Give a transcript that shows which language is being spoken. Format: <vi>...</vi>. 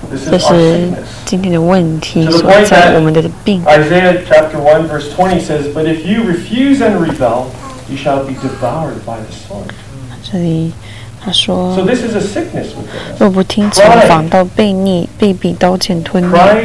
<zh>这是今天的问题所在，我们的病。</zh> <en>Isaiah chapter 1 verse 20 says, but if you refuse and rebel, you shall be devoured by the sword.</en> <zh>这里他说，若不听从，反倒悖逆，必被刀剑吞灭。</zh>